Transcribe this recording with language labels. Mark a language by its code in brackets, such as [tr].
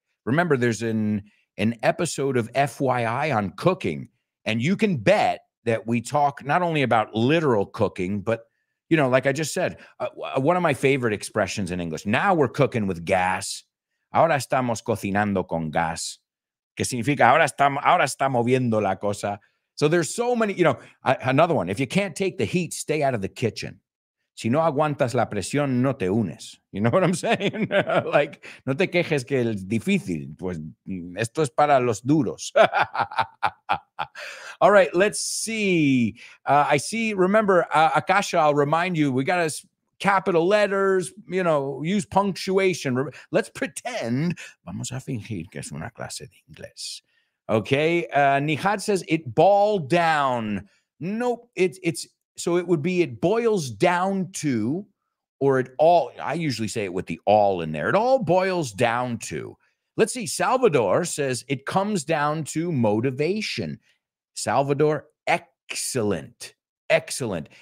[en] Remember, there's an episode of FYI on cooking, and you can bet that we talk not only about literal cooking, but, you know, like I just said, one of my favorite expressions in English. Now we're cooking with gas. [es] Ahora estamos cocinando con gas. Que significa ahora está moviendo la cosa. [en] So there's so many, you know, another one. If you can't take the heat, stay out of the kitchen. [es] Si no aguantas la presión, no te unes. [en] You know what I'm saying? Like, [es] no te quejes que es difícil. Pues esto es para los duros. [en] All right, let's see. I see, remember, Akasha, I'll remind you, we got to capital letters, you know, use punctuation. Let's pretend. [es] Vamos a fingir que es una clase de inglés. [en] Okay, Nihad says, it balled down. Nope, it's... So it would be, it boils down to, or it all, I usually say it with the all in there. It all boils down to. Let's see. Salvador says, it comes down to motivation. Salvador, excellent. Excellent.